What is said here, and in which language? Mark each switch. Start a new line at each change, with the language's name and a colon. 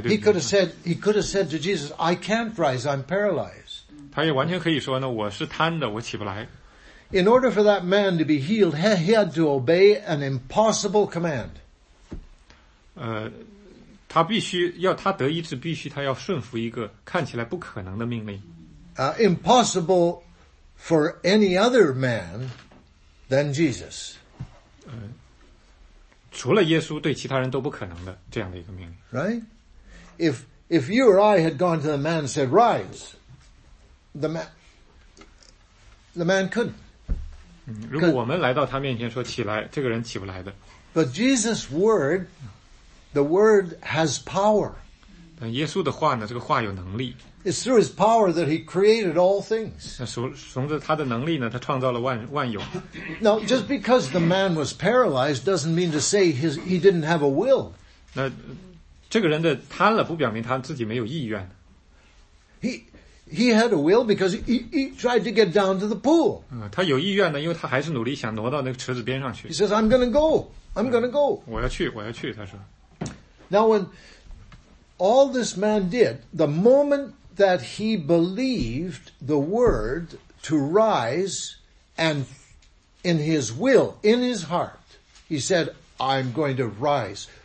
English: he could have said to Jesus, I can't rise, I'm paralyzed.
Chinese: 他也完全可以说呢, 我是瘫的, 我起不来。
English: In order for that man to be healed, he had to obey an impossible command.
Chinese: 他得医治必须要顺服一个看起来不可能的命令。
English: Impossible for any other man than Jesus.
Chinese: 除了耶稣对其他人都不可能的这样的一个命令。
English: Right? If you or I had gone to the man and said, rise, the man couldn't.
Chinese: 如果我们来到他面前说起来，这个人起不来的。
English: But Jesus' word, the word has power.
Chinese: 但耶稣的话呢，这个话有能力。
English: It's through his power that he created all things.
Chinese: 从着他的能力呢，他创造了万有。
English: Now, just because the man was paralyzed doesn't mean to say he didn't have a will.
Chinese: 那这个人的瘫了，不表明他自己没有意愿。
English: He had a will because he tried to get down to the pool.
Chinese: 他有意愿呢，因为他还是努力想挪到那个池子边上去。
English: He says, "I'm going to go. I'm going to go."
Chinese: 我要去，我要去。他说。
English: Now, when all this man did, the moment that he believed the word to rise, and in his will, in his heart, he said, "I'm going to rise."